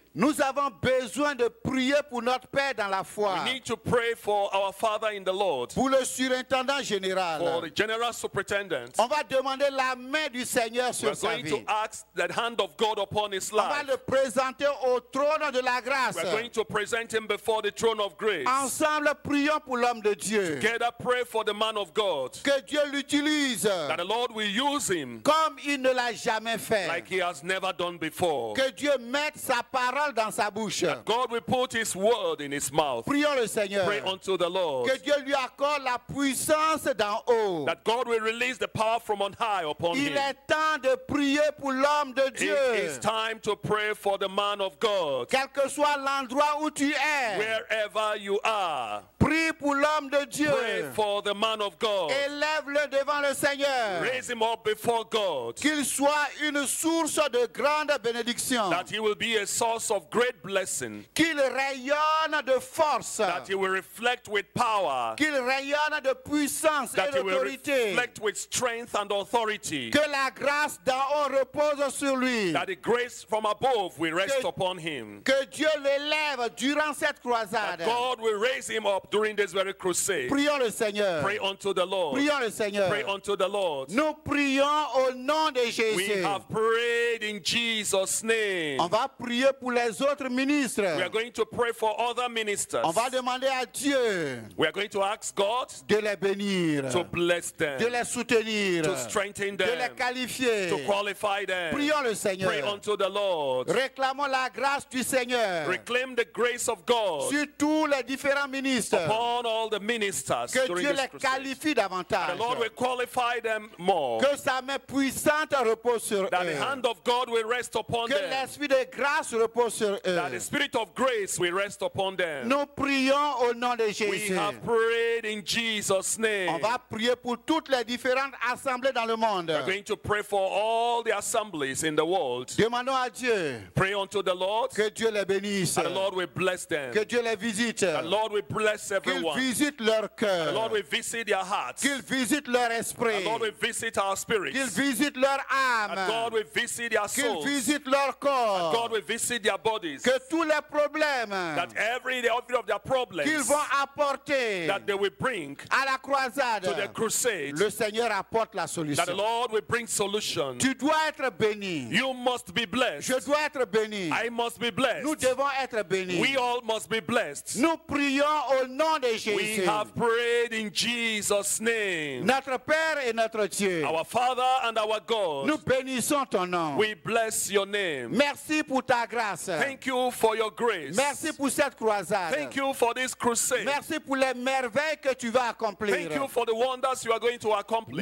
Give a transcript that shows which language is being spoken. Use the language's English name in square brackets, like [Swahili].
[French] Nous avons besoin de prier pour notre Père dans la foi. [English] We need to pray for our Father in the Lord. [French] Pour le surintendant général. [English] For the general superintendent. [French] On va demander la main du Seigneur sur sa vie. [English] We are going to ask the hand of God upon his life. [French] On va le présenter au trône de la grâce. [English] We are going to present him before the throne of grace. [French] Ensemble, prions pour l'homme de Dieu. [English] Together, pray for the man of God. [French] Que Dieu l'utilise. [English] That the Lord will use him. [French] Comme il ne l'a jamais fait. [English] Like he has never done before. [French] Que Dieu mette sa parole parole dans sa bouche. [English] That God will put his word in his mouth. [French] Prions le Seigneur. [English] Pray unto the Lord. [French] Que Dieu lui accorde la puissance d'en haut. [English] That God will release the power from on high upon [French] Il Il est temps de prier pour l'homme de Dieu. [English] It is time to pray for the man of God. [French] Quel que soit l'endroit où tu es. [English] Wherever you are. [French] Prie pour l'homme de Dieu. [English] Pray for the man of God. [French] Élève-le devant le Seigneur. [English] Raise him up before God. [French] Qu'il soit une source de grande bénédiction. [English] That he will be a source of great blessing. [French] Qu'il rayonne de force. [English] That he will reflect with power. [French] Qu'il rayonne de puissance [English] that [French] et d'autorité. [English] That he will reflect with strength and authority. [French] Que la grâce d'en haut repose sur lui. [English] That the grace from above will rest upon him. [French] Que Dieu l'élève durant cette croisade. [English] That God will raise him up during this very crusade. [French] Prions le Seigneur. [English] Pray unto the Lord. [French] Prions le Seigneur. [English] Pray unto the Lord. [French] Nous prions au nom de Jésus. [English] We have prayed in Jesus' name. [French] On va prier pour les autres ministres. [English] We are going to pray for other ministers. [French] On va demander à Dieu. [English] We are going to ask God [French] de les bénir. [English] To bless them. [French] De les soutenir. [English] To strengthen them. [French] De les qualifier. [English] To qualify them. [French] Prions le Seigneur. [English] Pray unto the Lord. [French] Réclamons la grâce du Seigneur. [English] Reclaim the grace of God. [French] Sur tous les différents ministres. [English] Upon all the ministers. [French] Que Dieu les qualifie davantage. [English] The Lord will qualify them more. [French] Que sa main puissante repose sur [English] that [French] eux. [English] The hand of God will rest upon [French] que [English] them. [French] Que l'esprit de grâce repose sur [English] that [French] eux. [English] That the spirit of grace will rest upon them. [French] Nous prions au nom de Jésus. [English] We have prayed in Jesus' name. [French] On va prier pour toutes les différentes assemblées dans le monde. [English] We are going to pray for all the assemblies in the world. [French] Demandons à Dieu. [English] Pray unto the Lord. [French] Que Dieu les bénisse. [English] That the Lord will bless them. [French] Que Dieu les visite. [English] That the Lord will bless everyone. [French] Qu'il visite leur cœur. [English] The Lord will visit their hearts. [French] Qu'il visite leur esprit. [English] The Lord will visit our spirits. [French] Qu'il visite leur âme. [English] The Lord will visit their souls. [French] Qu'il visite leur corps. [English] The Lord will visit their bodies. [French] Que tous les problèmes. [English] That every the of their problems. [French] Qu'ils vont apporter. [English] That they will bring. [French] À la croisade. [English] To the crusade. [French] Le Seigneur apporte la solution. [English] That the Lord will bring solution. [French] Tu dois être béni. [English] You must be blessed. [French] Je dois être béni. [English] I must be blessed. [French] Nous devons être bénis. [English] We all must be blessed. [French] Nous prions au nom de Jésus. [English] We have prayed in Jesus' name. [French] Notre Père et notre Dieu. [English] Our Father and our God. [French] Nous bénissons ton nom. [English] We bless your name. [French] Merci pour ta grâce. [English] Thank you for your grace. [French] Merci pour cette croisade. [English] Thank you for this crusade. [French] Merci pour les merveilles que tu vas accomplir. [English] Thank you for the wonders you are going to accomplish.